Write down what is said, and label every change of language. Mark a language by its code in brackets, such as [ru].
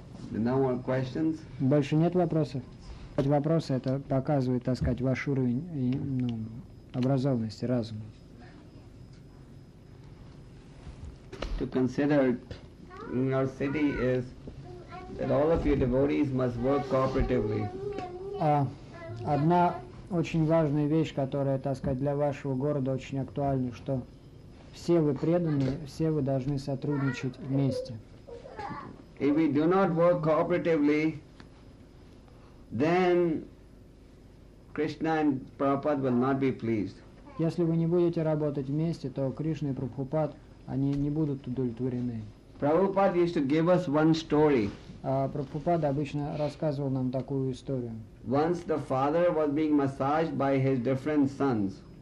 [en] No more questions? [ru] Больше нет вопросов? Вопросы это показывает, так сказать, ваш уровень образованности, разума. [en] To consider in our city is that all of your devotees must work cooperatively. [ru] Одна очень важная вещь, которая, так сказать, для вашего города очень актуальна, что все вы преданные, все вы должны сотрудничать вместе. [en] If we do not work cooperatively, then Krishna and Prabhupada will not be pleased. [ru] Если вы не будете работать вместе, то Кришна и Прабхупад, они не будут удовлетворены. [en] Prabhupada used to give us one story. [ru] Прабхупада обычно рассказывал нам такую историю. [en] Once the father was being massaged by his different sons.